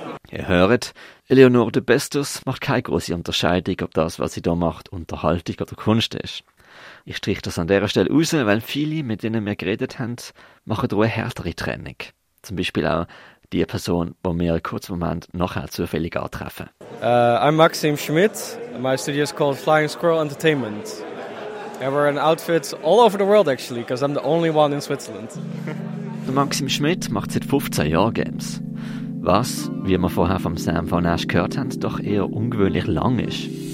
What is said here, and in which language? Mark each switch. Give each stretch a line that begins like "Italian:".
German: Ihr hört, Eleonore de Bestus macht keine grosse Unterscheidung, ob das, was sie da macht, Unterhaltung oder Kunst ist. Ich strich das an dieser Stelle raus, weil viele, mit denen wir geredet haben, machen da eine härtere Trennung. Zum Beispiel auch die Person, die wir einen kurzen Moment nachher zufällig antreffen.
English: I'm Maxim Schmidt, my studio is called Flying Squirrel Entertainment. I wear an outfit all over the world, actually, because I'm the only one in Switzerland.
German: Maxim Schmidt macht seit 15 Jahren Games. Was, wie wir vorher vom Sam von Asch gehört haben, doch eher ungewöhnlich lang ist.